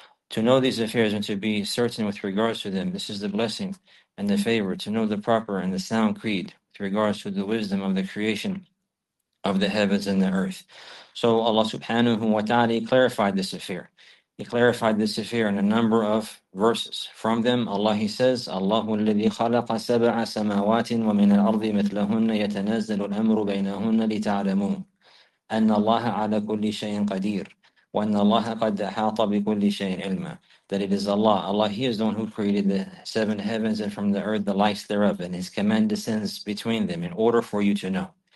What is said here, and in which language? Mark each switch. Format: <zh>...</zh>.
<en>To know these affairs and to be certain with regards to them, this is the blessing and the favor, to know the proper and the sound creed with regards to the wisdom of the creation of the heavens and the earth. So Allah subhanahu wa ta'ala clarified this affair. He clarified this affair in a number of verses. From them, Allah, He says,</en> <ar>اللَّهُ الَّذِي خَلَقَ سَبْعَ سَمَاوَاتٍ وَمِنَ الْأَرْضِ مِثْلَهُنَّ يَتَنَزَّلُ الْأَمْرُ بَيْنَهُنَّ لِتَعْلَمُوا أَنَّ اللَّهَ عَلَى كُلِّ شَيْءٍ قَدِيرٌ وَأَنَّ اللَّهَ قَدْ أَحَاطَ بِكُلِّ شَيْءٍ عِلْمًا.</ar> <en>That it is Allah. Allah, He is the one who created the seven heavens and from the earth the likes thereof, and His command descends between them in order for you to know.</en>